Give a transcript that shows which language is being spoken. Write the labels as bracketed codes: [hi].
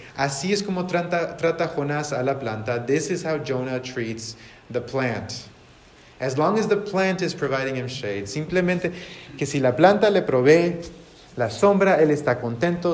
[es] Así es como trata Jonás a la planta. [en] This is how Jonah treats the plant. As long as the plant is providing him shade. [es] Simplemente que si la planta le provee la sombra, él está contento.